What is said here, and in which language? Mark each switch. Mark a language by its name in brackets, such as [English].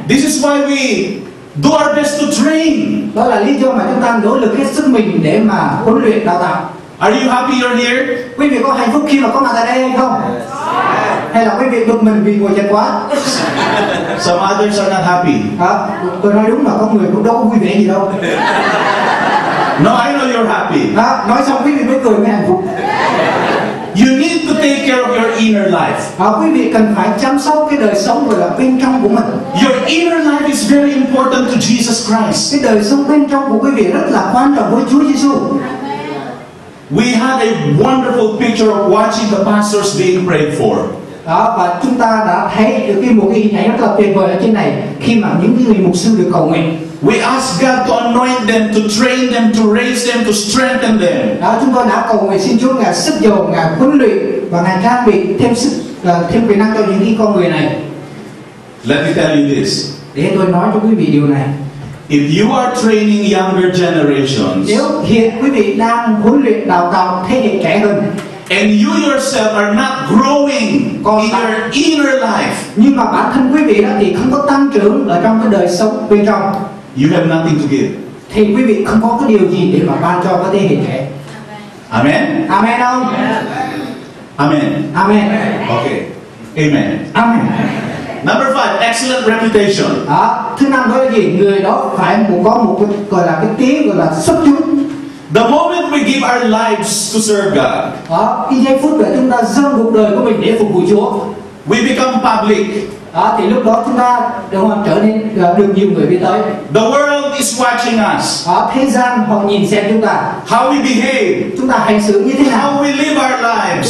[English] This is why we do our best to train. [Vietnamese] Đó là lý do mà chúng ta nỗ lực hết sức mình để mà huấn luyện đào tạo. [English] Are you happy you're here? [Vietnamese] Quý vị có hạnh phúc khi mà có mặt ở đây hay không? Hay là quý vị bực mình vì ngồi chật quá? [English] Some others are not happy. [Vietnamese] À, tôi nói đúng là có người cũng đâu có vui vẻ gì đâu. [English] No, I know you're happy. [Vietnamese] À, nói xong quý vị mới cười mới hạnh phúc. [English] You need to take care of your inner life. [Vietnamese] À, quý vị cần phải chăm sóc cái đời sống gọi là bên trong của mình. [English] Your inner life is very important to Jesus Christ. [Vietnamese] Cái đời sống bên trong của quý vị rất là quan trọng với Chúa Giêsu. [English] We had a wonderful picture of watching the pastors being prayed for. [Vietnamese] À, và chúng ta đã thấy được cái một cái hình ảnh rất là tuyệt vời ở trên này khi mà những người mục sư được cầu nguyện. [English] We ask God to anoint them, to train them, to raise them, to strengthen them. [Vietnamese] Đó, chúng tôi đã cầu nguyện xin Chúa ngài sức dầu, ngài huấn luyện và ngài trang bị thêm sức, thêm quyền năng cho những cái con người này. [English] Let me tell you this. [Vietnamese] Để tôi nói cho quý vị điều này. [English] If you are training younger generations, [Vietnamese] nếu hiện quý vị đang huấn luyện đào tạo thế hệ trẻ hơn, [English] and you yourself are not growing in your inner life, [Vietnamese] nhưng mà bản thân quý vị đó thì không có tăng trưởng ở trong cái đời sống bên trong, [English] you have nothing to give. [Vietnamese] Thì quý vị không có cái điều gì để mà ban cho các thế hệ trẻ. [English] Amen. [Vietnamese] Amen không? [English] Amen. [Vietnamese] Amen. [English] Okay. Amen. [Vietnamese] Amen. [English] Number five, excellent reputation. [Vietnamese] À, thứ năm đó là gì? Người đó phải có một cái gọi là cái tiếng gọi là xuất chúng. [English] The moment we give our lives to serve God. [Vietnamese] À, cái giây phút để chúng ta dâng cuộc đời của mình để phục vụ Chúa. [English] We become public. [Vietnamese] À, thì lúc đó chúng ta đều hoàn trở nên được nhiều người biết tới. [English] The world is watching us. [Vietnamese] À, thế gian họ nhìn xem chúng ta. [English] How we behave. [Vietnamese] Chúng ta hành xử như thế nào. [English] How we live our lives.